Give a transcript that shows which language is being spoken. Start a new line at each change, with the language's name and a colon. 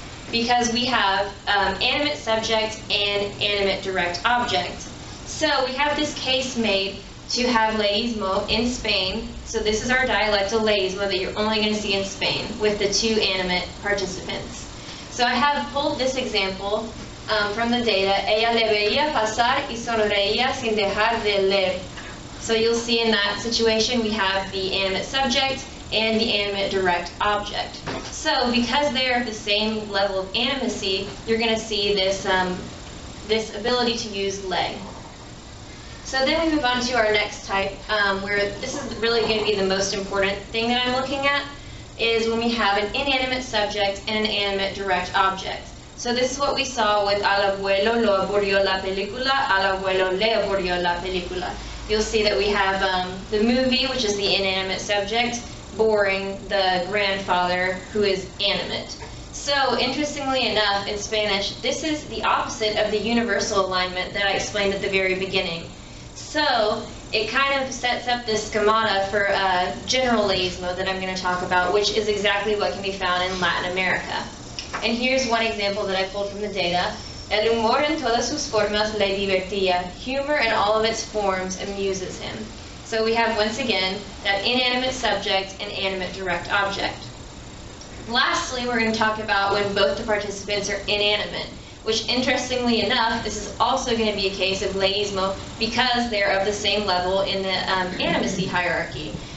English: Because we have animate subject and animate direct object. So we have this case made to have laismo in Spain. So this is our dialectal laismo that you're only going to see in Spain with the two animate participants. So I have pulled this example from the data.
Spanish: Ella le veía pasar y sonreía sin dejar de leer.
English: So you'll see in that situation we have the animate subject and the animate direct object. So because they're of the same level of animacy, you're going to see this this ability to use le. So then we move on to our next type, where this is really going to be the most important thing that I'm looking at, is when we have an inanimate subject and an animate direct object. So this is what we saw with
Spanish: al abuelo lo aburrió la película,
English: al abuelo le aburrió la película. You'll see that we have the movie, which is the inanimate subject, boring the grandfather, who is animate. So interestingly enough, in Spanish, this is the opposite of the universal alignment that I explained at the very beginning. So it kind of sets up this schemata for a general laismo that I'm going to talk about, which is exactly what can be found in Latin America. And here's one example that I pulled from the data.
Spanish: El humor en todas sus formas le divertía.
English: Humor in all of its forms amuses him. So we have, once again, that inanimate subject and animate direct object. Lastly, we're going to talk about when both the participants are inanimate, which, interestingly enough, this is also going to be a case of laismo because they're of the same level in the animacy hierarchy.